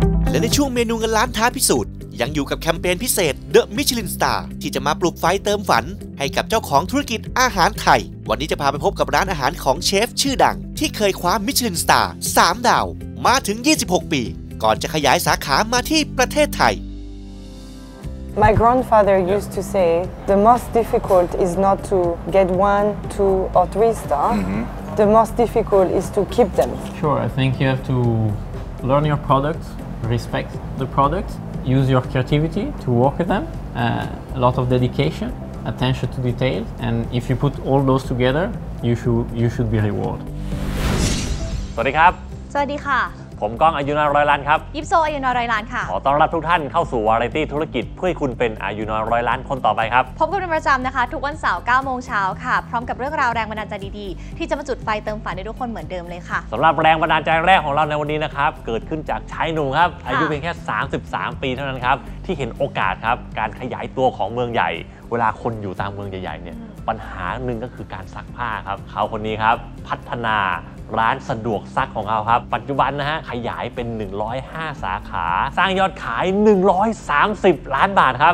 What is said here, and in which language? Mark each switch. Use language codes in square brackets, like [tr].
[th] และในช่วงเมนูเงินล้านท้าพิสูจน์ยังอยู่กับแคมเปญพิเศษเดอะมิชลินสตาร์ที่จะมาปลุกไฟเติมฝันให้กับเจ้าของธุรกิจอาหารไทยวันนี้จะพาไปพบกับร้านอาหารของเชฟชื่อดังที่เคยคว้ามิชลินสตาร์3ดาวมาถึง26ปีก่อนจะขยายสาขามาที่ประเทศไทย [en] My grandfather used to say the most difficult is not to get 1 2 or 3 star the most difficult is to keep them Sure I think you have to learn your product respect the product use your creativity to work with them a lot of dedication attention to detail and if you put all those together you should be rewarded [th] สวัสดีครับ สวัสดีค่ะ ผมก้องอายุน้อยร้อยล้านครับ ยิปโซอายุน้อยร้อยล้านค่ะ ขอต้อนรับทุกท่านเข้าสู่วาไรตี้ธุรกิจเพื่อคุณเป็นอายุน้อยร้อยล้านคนต่อไปครับ พบกันเป็นประจำนะคะทุกวันเสาร์9โมงเช้าค่ะพร้อมกับเรื่องราวแรงบันดาลใจดีๆที่จะมาจุดไฟเติมฝันให้ทุกคนเหมือนเดิมเลยค่ะ สำหรับแรงบันดาลใจแรกของเราในวันนี้นะครับเกิดขึ้นจากชายหนุ่มครับอายุเพียงแค่33ปีเท่านั้นครับที่เห็นโอกาสครับการขยายตัวของเมืองใหญ่เวลาคนอยู่ตามเมืองใหญ่ๆเนี่ยปัญหาหนึ่งก็คือการซักผ้าครับเขาคนนี้ครับพัฒนาร้านสะดวกซักของเขาครับปัจจุบันนะฮะขยายเป็น105สาขาสร้างยอดขาย130ล้านบาทครับ